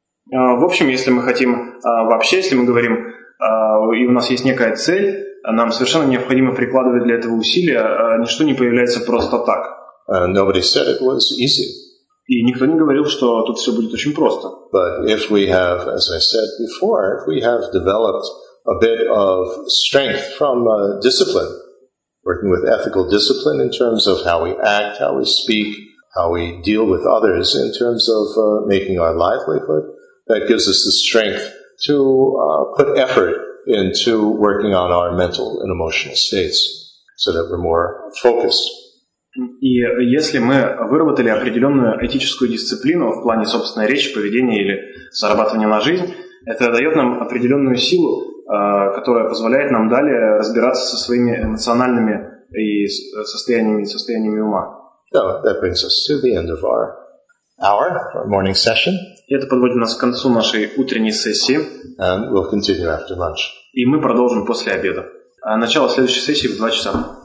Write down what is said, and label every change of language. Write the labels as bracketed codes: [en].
[ru] В общем, если мы хотим, вообще, если мы говорим и у нас есть некая цель, нам совершенно необходимо прикладывать для этого усилия, ничто не появляется просто так. [en] Nobody said it was easy. [ru] И никто не говорил, что тут все будет очень просто. [en] But if we have, as I said before, if we have developed a bit of strength from discipline, working with ethical discipline in terms of how we act, how we speak, how we deal with others in terms of making our livelihood, that gives us the strength to put effort into working on our mental and emotional states so that we're more focused. [ru] И если мы выработали определенную этическую дисциплину в плане собственной речи, поведения или зарабатывания на жизнь, это дает нам определенную силу, которая позволяет нам далее разбираться со своими эмоциональными и состояниями ума. [en] So that brings us to the end of our hour, our morning session. [ru] И это подводит нас к концу нашей утренней сессии. [en] And we'll continue after lunch. [ru] И мы продолжим после обеда. Начало следующей сессии в 2 часа.